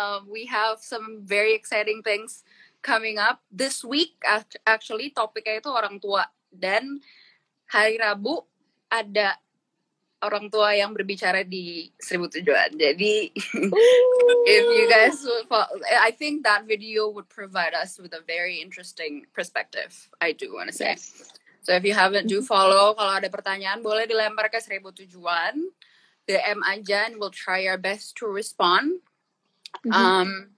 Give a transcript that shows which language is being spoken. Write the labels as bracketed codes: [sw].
[en] We have some very exciting things coming up this week. [id] Actually, topiknya itu orang tua. Dan hari Rabu ada orang tua yang berbicara di Seribu Tujuan. [en] Jadi, if you guys would follow, I think that video would provide us with a very interesting perspective, I do want to say. Yes. So, if you haven't, do follow. [id] Kalau ada pertanyaan, boleh dilempar ke Seribu Tujuan. [en] DM aja, and we'll try our best to respond. Mm-hmm.